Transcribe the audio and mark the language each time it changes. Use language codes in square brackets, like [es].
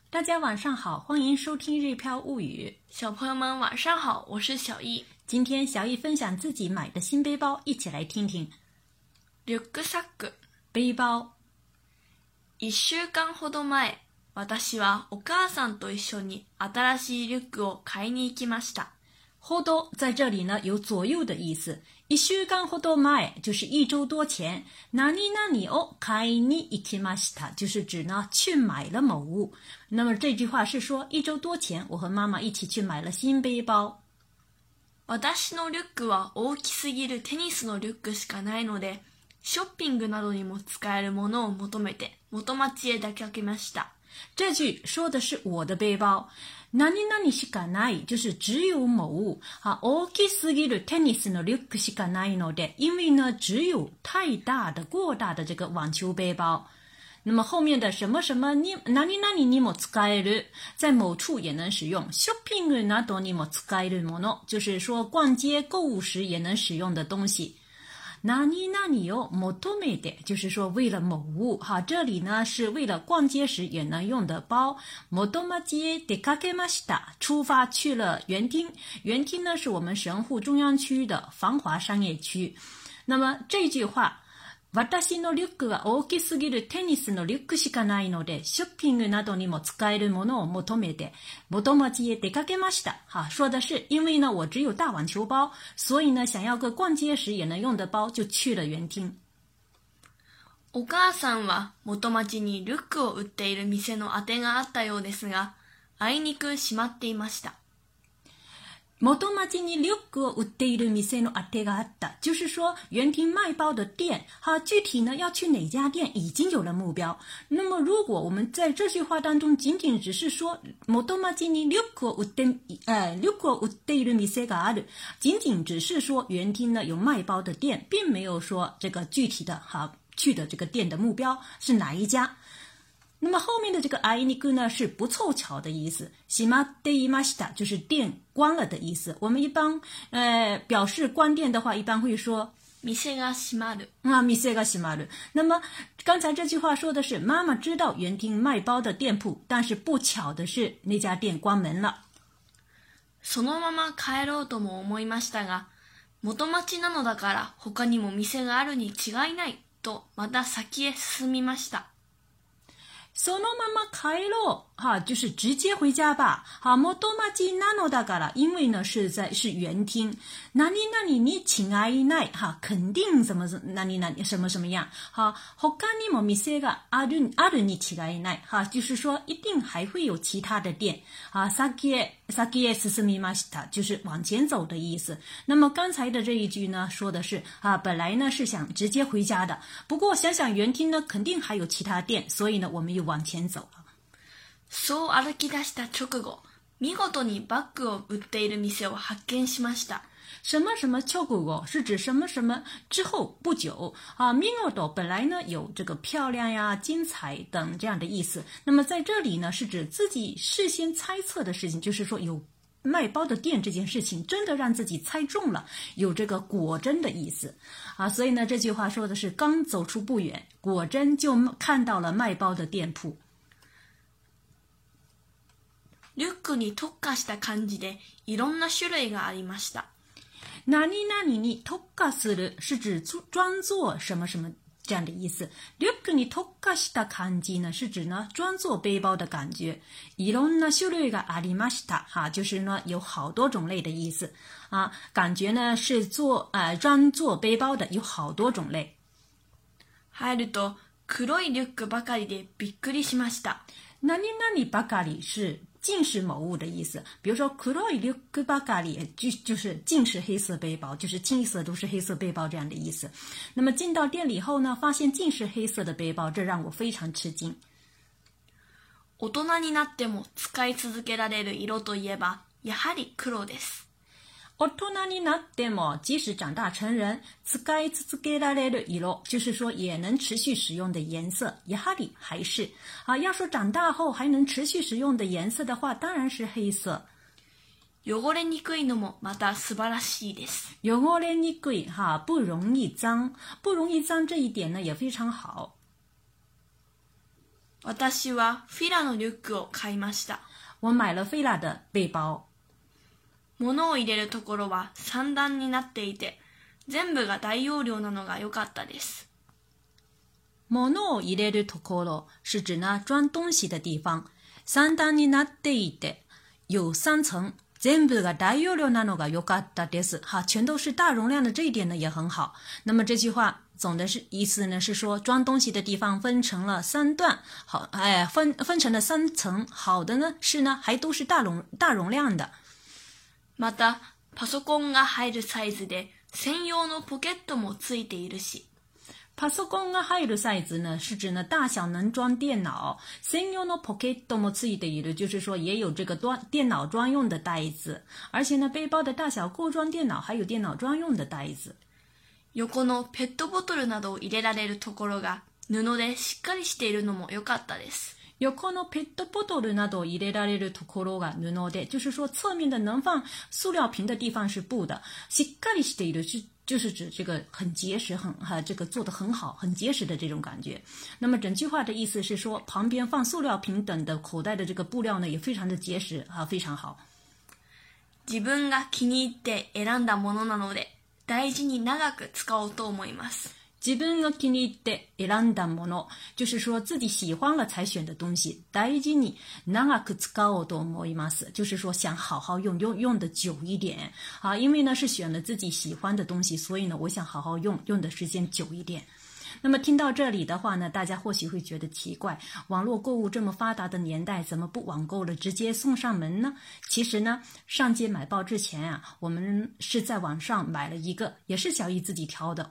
[zh] 大家晚上好，欢迎收听日漂物语。小朋友们晚上好，我是小易。今天小易分享自己买的新背包，一起来听听。 [ja] リュックサック， [zh] 背包。 [ja] 一週間ほど前、私はお母さんと一緒に新しいリュックを買いに行きました。 [zh] ほど在这里呢有左右的意思。 [ja] 一週間ほど前 [zh] 就是一周多前。 [ja] 何々を買いに行きました [zh] 就是指呢去买了某物。那么这句话是说一周多前我和妈妈一起去买了新背包。 [ja] 私のリュックは大きすぎるテニスのリュックしかないので、ショッピングなどにも使えるものを求めて元町へ出かけました。 [zh] 这句说的是我的背包。 [ja] 何々しかない [zh] 就是只有某物。 [ja] 啊、大きすぎるテニスのリュックしかないので。 [zh] 因为呢只有太大的过大的这个网球背包。那么后面的什么什么に [ja] 何々にも使える [zh] 在某处也能使用。 [ja] ショッピングなどにも使えるもの [zh] 就是说逛街购物时也能使用的东西。 [ja] 何々を求めて [zh] 就是说为了某物哈，这里呢是为了逛街时也能用的包。 [ja] 元町へ出かけました， [zh] 出发去了园町。园町呢是我们神户中央区的繁华商业区。 [ja] 那么这句话，私のリュックは大きすぎるテニスのリュックしかないので、ショッピングなどにも使えるものを求めて、元町へ出かけました。 [zh] 哈，说的是，因为呢，我只有大网球包，所以呢，想要个逛街时也能用的包，就去了园町。 [ja] お母さんは元町にリュックを売っている店の宛てがあったようですが、あいにく閉まっていました。元町にリュックを売っている店の宛てがあった。 [zh] 就是说园町卖包的店哈，具体呢要去哪家店已经有了目标。那么如果我们在这句话当中仅仅只是说 [ja] 元町にリュックを売って、リュックを売っている店がある。 [zh] 仅仅只是说园町呢有卖包的店，并没有说这个具体的哈去的这个店的目标是哪一家。那么后面的这个あいにく呢是不凑巧的意思。 [ja] 閉まっていました [zh] 就是店关了的意思。我们一般表示关店的话一般会说 [ja] 店が閉まる。啊店が閉まる。 [zh] 那么刚才这句话说的是妈妈知道园町卖包的店铺，但是不巧的是那家店关门了。 [ja] そのまま帰ろうとも思いましたが、元町なのだから他にも店があるに違いないとまた先へ進みました。そのまま帰ろう， [zh] 哈，就是直接回家吧。哈， [ja] 元町なのだから， [zh] 因为呢是在是园町。哪里哪里你请阿姨来，哈，肯定什么哪里哪里什么什么样。哈， [ja] 他にも店があるあるに違いない， [zh] 哈，就是说一定还会有其他的店。啊， [ja] 先へ進みました， [zh] 就是往前走的意思。那么刚才的这一句呢，说的是啊，本来呢是想直接回家的，不过想想园町呢肯定还有其他店，所以呢我们又往前走了。 [ja] そう歩き出した直後、見事にバッグを売っている店を発見しました。 [zh] 什么什么直後、是指什么什么之后不久。啊、見事、本来呢有这个漂亮呀、精彩等这样的意思。那么在这里呢、是指自己事先猜测的事情、就是说有卖包的店这件事情、真的让自己猜中了、有这个果真的意思。啊、所以呢、这句话说的是刚走出不远、果真就看到了卖包的店铺。 [ja] リュックに特化した感じでいろんな種類がありました。何々に特化する [zh] 是指专做什么什么这样的意思。 [ja] リュックに特化した感じ [zh] 呢是指呢专做背包的感觉。 [ja] いろんな種類がありました。 [zh] 哈，就是呢有好多种类的意思。啊，感觉呢是做专做背包的有好多种类。 [ja] 入ると黒いリュックばかりでびっくりしました。何々ばかり [zh] 是尽是某物的意思，比如说 [ja] 黒いリュックばかり [zh] 就是尽是黑色背包，就是清一色都是黑色背包这样的意思。那么进到店里后呢，发现尽是黑色的背包，这让我非常吃惊。 [ja] 大人になっても使い続けられる色といえばやはり黒です。大人になっても [zh] 即使长大成人 [ja] 使い続けられる色 [zh] 就是说也能持续使用的颜色やはり还是、啊、要说长大后还能持续使用的颜色的话当然是黑色 [ja] 汚れにくいのもまた素晴らしいです汚れにくい、 [zh] 啊、不容易脏不容易脏这一点呢也非常好 [ja] 私はフィラのリュックを買いました。 [zh] 我买了菲拉的背包。 [ja] 物を入れるところは三段になっていて、全部が大容量なのが良かったです。物を入れるところ [zh] 是指那装东西的地方。 [ja] 三段になっていて、 [zh] 有三层， [ja] 全部が大容量なのが良かったです。 [zh] 好，全都是大容量的，这一点呢也很好。那么这句话总的是意思呢是说装东西的地方分成了三段，好，哎，分成了三层，好的呢是呢还都是大容量的。 [ja] またパソコンが入るサイズで専用のポケットもついているし。パソコンが入るサイズ [zh] 呢是指呢大小能装电脑。 [ja] 専用のポケットもついている [zh] 就是说也有这个电脑专用的袋子。而且呢背包的大小够装电脑还有电脑专用的袋子。 [ja] 横のペットボトルなどを入れられるところが布でしっかりしているのも良かったです。横のペットボトルなどを入れられるところが布で、 [zh] 就是说侧面的能放塑料瓶的地方是布的。 [ja] しっかりしている [zh] 就是指这个很结实、很这个做得很好、很结实的这种感觉。那么整句话的意思是说、旁边放塑料瓶等的口袋的这个布料呢、也非常的结实、非常好。 [ja] 自分が気に入って選んだものなので、大事に長く使おうと思います。自分が気に入って選んだもの、 [zh] 就是说自己喜欢了才选的东西、 [ja] 大事に長く使おうと思います。 [zh] 就是说想好好用、用的久一点。啊、因为呢是选了自己喜欢的东西、所以呢我想好好用、用的时间久一点。那么听到这里的话呢，大家或许会觉得奇怪，网络购物这么发达的年代，怎么不网购了直接送上门呢？其实呢，上街买包之前啊，我们是在网上买了一个，也是小姨自己挑的。